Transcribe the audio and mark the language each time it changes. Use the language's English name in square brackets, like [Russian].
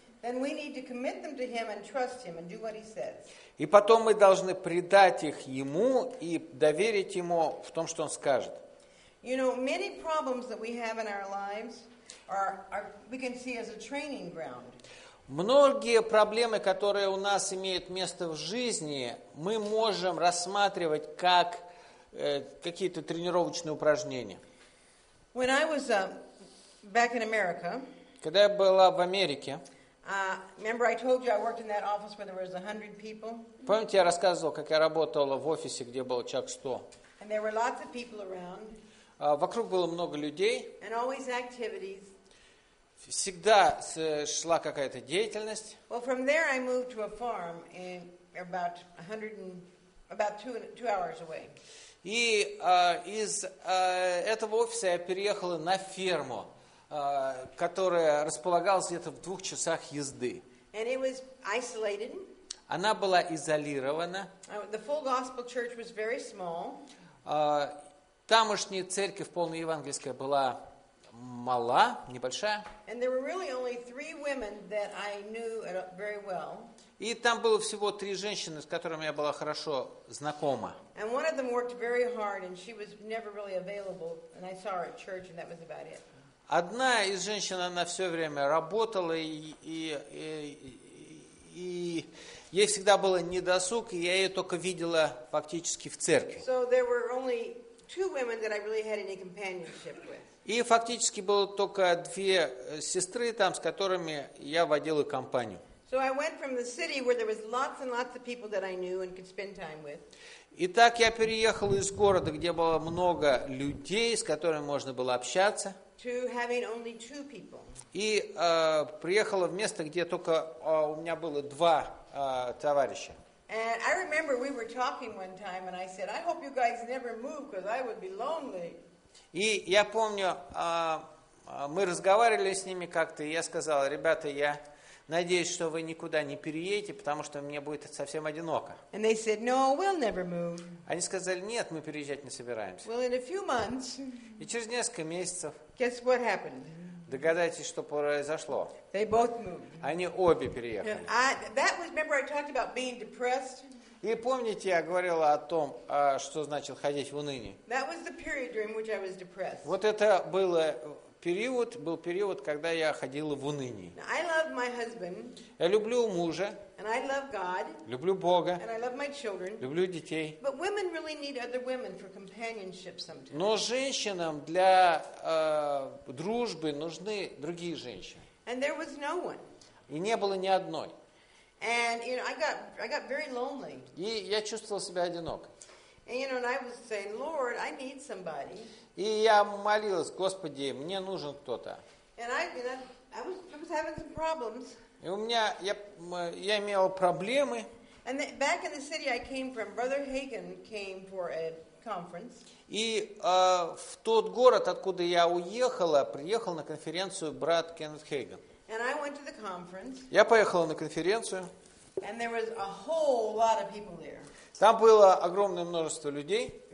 [English] Then we need to commit them to Him and trust Him and do what He says. [Russian] И потом мы должны предать их Ему и доверить Ему в том, что Он скажет. [English] You know, many problems that we have in our lives are we can see as a training ground. [Russian] Многие проблемы, которые у нас имеют место в жизни, мы можем рассматривать как какие-то тренировочные упражнения. [English] When I was back in America, [Russian] когда я была в Америке, [English] Remember, I told you I worked in that office where there was 100 people. [Russian] Помните, я рассказывал, как я работала в офисе, где было человек 100. [English] And there were lots of people around. [Russian] Вокруг было много людей. [English] And always activities. [Russian] Всегда шла какая-то деятельность. [English] Well, from there I moved to a farm in about two hours away. [Russian] И из этого офиса я переехала на ферму, которая располагалась где-то в 2 часах езды. [English] And it was isolated. [Russian] Она была изолирована. [English] The full gospel church was very small. [Russian] Тамошняя церковь, полная евангельская, была мала, небольшая. [English] And there were really only 3 women that I knew very well. [Russian] И там было всего 3 женщины, с которыми я была хорошо знакома. [English] And one of them worked very hard, and she was never really available, and I saw her at church, and that was about it. [Russian] Одна из женщин, она все время работала, и ей всегда было недосуг, и я ее только видела фактически в церкви. [English] So there were only 2 women that I really had any companionship with. [Russian] И фактически было только 2 сестры там, с которыми я водила компанию. [English] So I went from the city where there was lots and lots of people that I knew and could spend time with. [Russian] Итак, я переехала из города, где было много людей, с которыми можно было общаться. [English] To having only 2 people. [Russian] И приехала в место, где только у меня было 2 товарища. [English] And I remember we were talking one time, and I said, I hope you guys never move, because I would be lonely. [Russian] И я помню, мы разговаривали с ними как-то, и я сказал, ребята, я надеюсь, что вы никуда не переедете, потому что мне будет совсем одиноко. [English] And they said, no, we'll never move. [Russian] Они сказали, нет, мы переезжать не собираемся. [English] Well, in a few months. [Russian] И через несколько месяцев. [English] Guess what happened? [Russian] Догадайтесь, что произошло. [English] They both moved. [Russian] Они обе переехали. [English] Remember I talked about being depressed. [Russian] И помните, я говорила о том, что значит ходить в уныние. [English] That was the period during which I was depressed. [Russian] Вот это было. Был период, когда я ходила в унынии. [English] I love my husband, [Russian] я люблю мужа. [English] And I love God, [Russian] люблю Бога. [English] And I love my children, [Russian] люблю детей. [English] But women really need other women for companionship sometimes. [Russian] Но женщинам для дружбы нужны другие женщины. [English] And there was no one. [Russian] И не было ни одной. [English] And, you know, I got very lonely. [Russian] И я чувствовала себя одинок. [English] And, you know, and I was saying, Lord, I need somebody. [Russian] И я молилась, Господи, мне нужен кто-то. [English] And I was having some problems. [Russian] И у меня я имел проблемы. [English] And the, back in the city I came from, Brother Hagen came for a conference. [Russian] И в тот город, откуда я уехала, приехал на конференцию брат Кеннет Хейген. [English] And I went to the conference. [Russian] Я поехала на конференцию. [English] And there was a whole lot of people there. [Russian] Там было огромное множество людей.